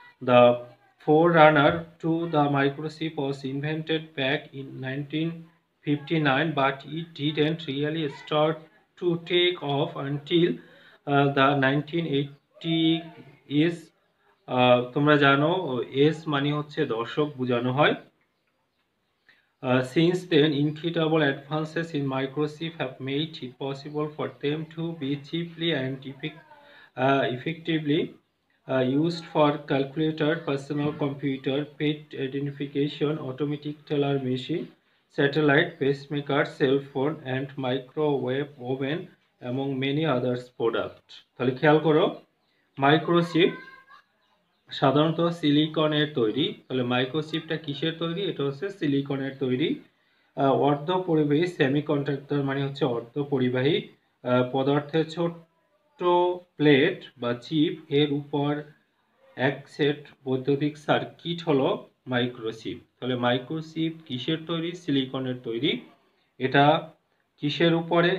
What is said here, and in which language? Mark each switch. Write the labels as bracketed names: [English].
[English] The forerunner to the microchip was invented back in 1959, but it didn't really start to take off until the 1980 ইস। [Bangla] তোমরা জানো S মানে হচ্ছে দশক বোঝানো হয়। [English] Since then, incredible advances in microchip have made it possible for them to be cheaply and effectively used for calculator, personal computer, pet identification, automatic teller machine, satellite, pacemaker, cell phone, and microwave oven, among many others product. [Bangla] তাহলে খেয়াল করো, microchip সাধারণত সিলিকনের তৈরি। তাহলে মাইক্রোচিপটা কিসের তৈরি? এটা হচ্ছে সিলিকনের তৈরি। অর্ধ পরিবাহী সেমি কন্ডাক্টর মানে হচ্ছে অর্ধ পরিবাহী পদার্থের ছোট্ট প্লেট বা চিপ, এর উপর এক সেট বৈদ্যুতিক সার্কিট হলো মাইক্রোচিপ। তাহলে মাইক্রোচিপ কিসের তৈরি? সিলিকনের তৈরি। এটা কিসের উপরে?